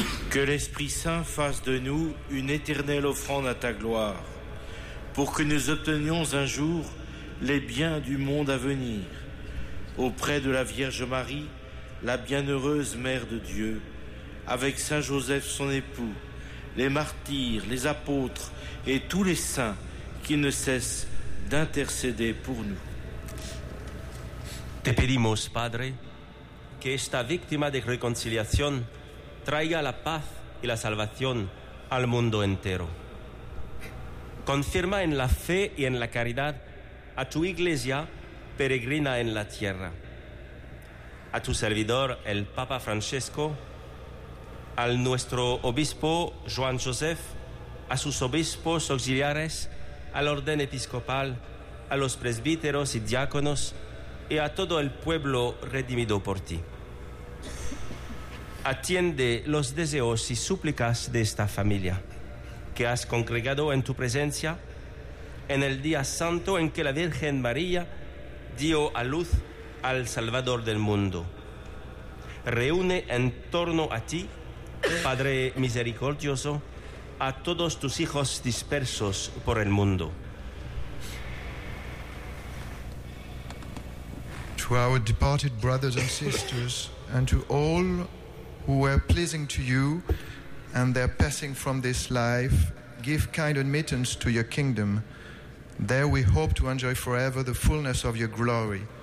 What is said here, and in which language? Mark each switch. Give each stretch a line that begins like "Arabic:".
French: Que l'Esprit Saint fasse de nous une éternelle offrande à ta gloire, pour que nous obtenions un jour les biens du monde à venir, auprès de la Vierge Marie, la bienheureuse Mère de Dieu, avec Saint Joseph son époux, les martyrs, les apôtres et tous les saints qui ne cessent d'intercéder pour nous.
Spanish: Te pedimos, Padre, que esta víctima de reconciliación traiga la paz y la salvación al mundo entero. Confirma en la fe y en la caridad a tu Iglesia peregrina en la tierra, a tu servidor, el Papa Francisco, al nuestro obispo Juan Joseph, a sus obispos auxiliares, al orden episcopal, a los presbíteros y diáconos y a todo el pueblo redimido por ti. Atiende los deseos y súplicas de esta familia que has congregado en tu presencia en el día santo en que la Virgen María dio a luz al Salvador del mundo. Reúne en torno a ti, Padre misericordioso, a todos tus hijos dispersos por el mundo.
English: To our departed brothers and sisters, and to all who were pleasing to you and their passing from this life, give kind admittance to your kingdom. There we hope to enjoy forever the fullness of your glory.